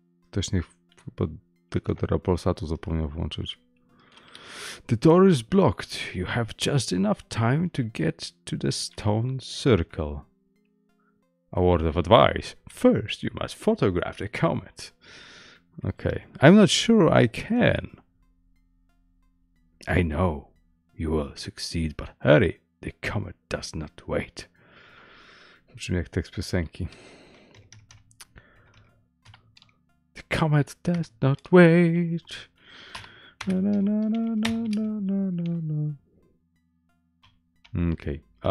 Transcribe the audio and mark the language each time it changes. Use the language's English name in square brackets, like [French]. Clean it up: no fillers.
[Polish] Ktoś niech chyba tylko teraz Polsatu zapomniał włączyć. [English] The door is blocked. You have just enough time to get to the stone circle. A word of advice. First, you must photograph the comet. Okej. I'm not sure I can. I know. You will succeed, but hurry. The comet does not wait. [Polish] Brzmi jak tekst piosenki. [English] The comet does not wait. Na, na, na, na, na, na, na, na. Okej.